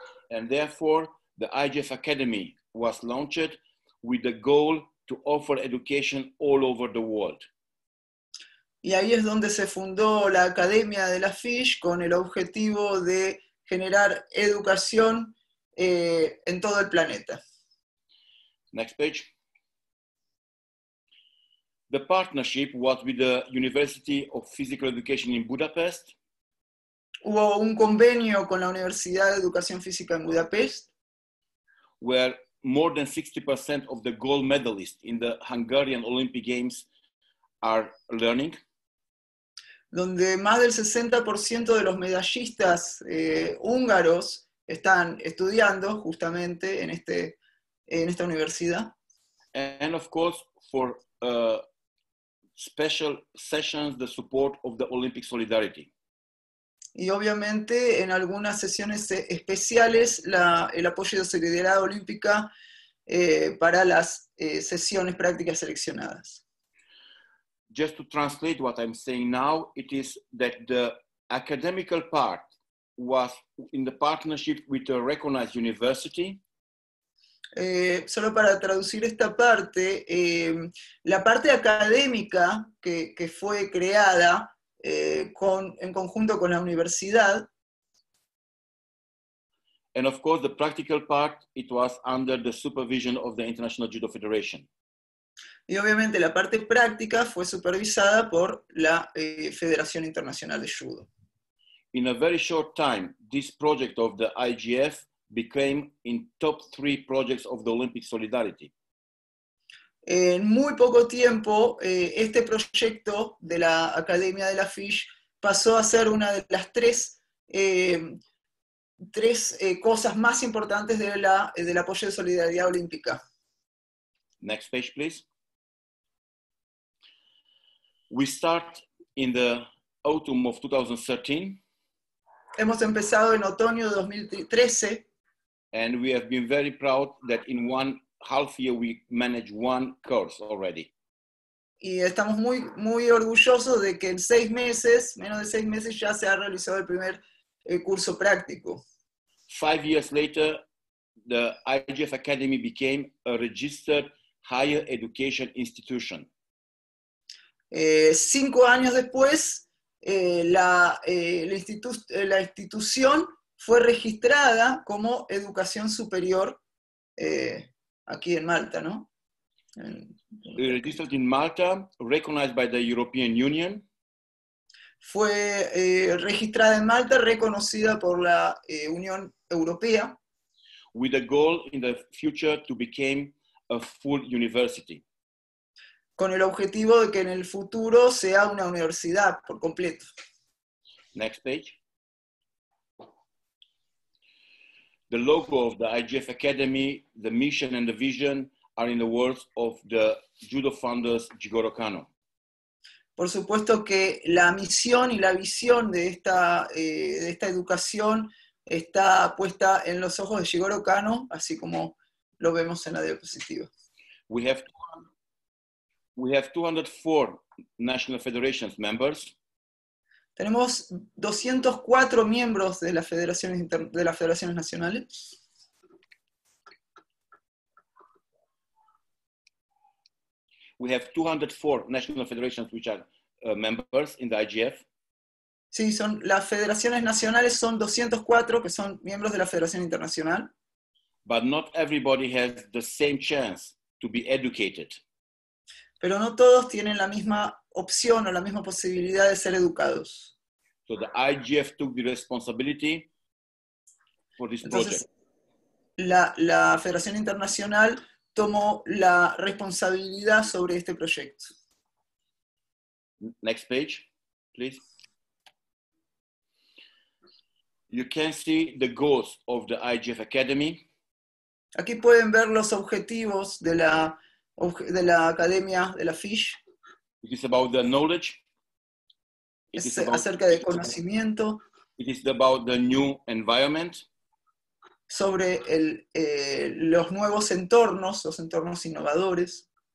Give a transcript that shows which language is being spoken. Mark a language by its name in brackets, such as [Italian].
[English] And therefore, the IGF Academy was launched with the goal to offer education all over the world. [Spanish] Y ahí es donde se fundó la Academia de la FISH con el objetivo de generar educación en todo el planeta. [English] Next page. The partnership was with the University of Physical Education in Budapest. [Spanish] Hubo un convenio con la Universidad de Educación Física en Budapest. [English] Where more than 60% of the gold medalists in the Hungarian Olympic Games are learning. [Spanish] Donde más del 60% de los medallistas húngaros están estudiando justamente en este en esta universidad. [English] And of course for special sessions the support of the Olympic Solidarity. [Spanish] Y obviamente en algunas sesiones especiales el apoyo de Solidaridad Olímpica para las sesiones prácticas seleccionadas. [English] Just to translate what I'm saying now, it is that the academical part was in the partnership with a recognized university. [Spanish] Solo para traducir esta parte, la parte académica que fue creada en conjunto con la universidad. [English] And of course, the practical part, it was under the supervision of the International Judo Federation. [Spanish] Y obviamente la parte práctica fue supervisada por la Federación Internacional de Judo. [English] In a very short time, this project of the IGF became in top three projects of the Olympic Solidarity. [Spanish] En muy poco tiempo, este proyecto de la Academia de la FISH pasó a ser una de las tres cosas más importantes de del apoyo de solidaridad olímpica. [English] Next page, please. We start in the autumn of 2013. [Spanish] Hemos empezado en otoño de 2013. [English] And we have been very proud that in one half year we managed one course already. [Spanish] Y estamos muy, muy orgullosos de que en seis meses, menos de seis meses, ya se ha realizado el primer curso práctico. [English] 5 years later, the IGF Academy became a registered higher education institution. [Spanish] Cinco años después, la institución fue registrada como educación superior aquí en Malta, ¿no? [English] Registered in Malta, recognized by the European Union. [Spanish] Fue registrada en Malta, reconocida por la Unión Europea. [English] With a goal in the future to become a full university. [Spanish] Con el objetivo de que en el futuro sea una universidad por completo. [English] Next page. The logo of the IGF Academy, the mission and the vision are in the words of the judo founders Jigoro Kano. [Spanish] Por supuesto que la misión y la visión de esta educación está puesta en los ojos de Jigoro Kano, así como lo vemos en la diapositiva. [English] We have 204 national federations members. [Spanish] Tenemos 204 miembros de las federaciones nacionales. [English] We have 204 national federations which are members in the IGF. [Spanish] Sí, son las federaciones nacionales son 204 que son miembros de la Federación Internacional. [English] But not everybody has the same chance to be educated. [Spanish] Pero no todos tienen la misma opción o la misma posibilidad de ser educados. [English] So the IGF took the responsibility for this [Spanish] Entonces, [English] project. [Spanish] La Federación Internacional tomó la responsabilidad sobre este proyecto. [English] Next page, please. You can see the goals of the IGF Academy. [Spanish] Aquí pueden ver los objetivos de la academia de la FISH. [English] It is about the knowledge. [Spanish] It es acerca del conocimiento. It is about the new environment. Sobre los nuevos entornos, los entornos innovadores.